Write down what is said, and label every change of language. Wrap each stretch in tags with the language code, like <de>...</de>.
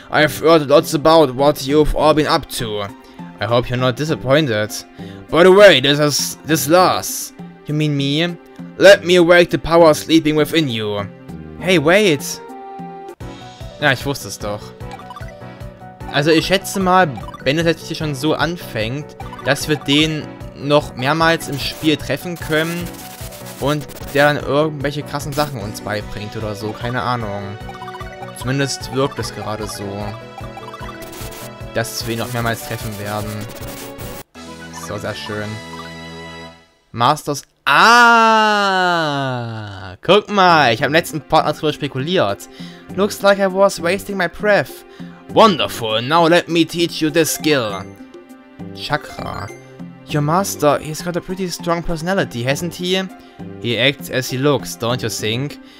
<en>I've heard lots about what you've all been up to. I hope you're not disappointed. By the way, this Lars. You mean me? Let me awake the power sleeping within you. Hey, wait.</en> <de>Ja, ich wusste es doch. Also, ich schätze mal, wenn es jetzt hier schon so anfängt, dass wir den noch mehrmals im Spiel treffen können und der dann irgendwelche krassen Sachen uns beibringt oder so. Keine Ahnung. Zumindest wirkt es gerade so, dass wir ihn noch mehrmals treffen werden. So, sehr schön. Masters... Ah! Guck mal, ich habe im letzten Partner darüber spekuliert.</de> <en>Looks like I was wasting my breath. Wonderful, now let me teach you this skill. Chakra. Your master, he's got a pretty strong personality, hasn't he? He acts as he looks, don't you think?</en>